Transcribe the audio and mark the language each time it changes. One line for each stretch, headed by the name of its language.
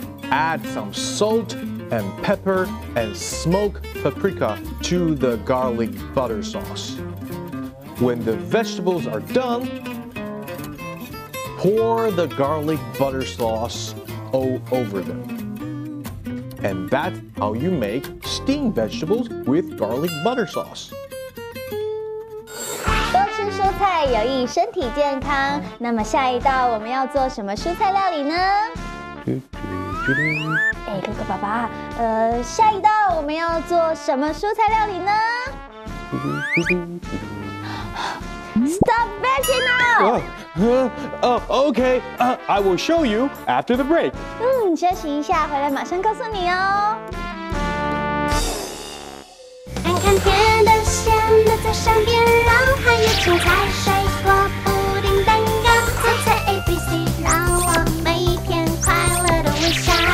English: Add some salt and pepper and smoked paprika to the garlic butter sauce. When the vegetables are done, pour the garlic butter sauce all over them. And that's how you make steamed vegetables with garlic butter sauce.
Chinese: 多吃蔬菜有益身体健康。那么下一道我们要做什么蔬菜料理呢？哎，哥哥爸爸，下一道我们要做什么蔬菜料理呢？
English: Stop bashing now! Okay, I will show you after the break.
Chinese: 休息一下，回来马上告诉你哦。看看甜的、咸的在身边，然后还有青菜、水果、布丁、蛋糕，猜猜 A B C， 让我每一天快乐的微笑。